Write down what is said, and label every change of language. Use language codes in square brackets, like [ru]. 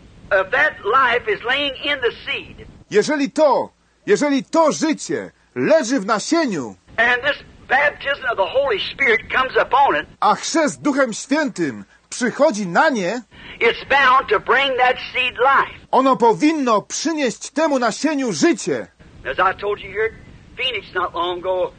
[en] If that life is laying in the seed. [pl] Jeżeli to życie leży w nasieniu, [en] and this baptism of the Holy Spirit comes upon it, [pl] a chrzest Duchem Świętym przychodzi na nie, [en] it's bound to bring that seed life. [pl] Ono powinno przynieść temu nasieniu życie. [en] As I told you here, Phoenix not long ago,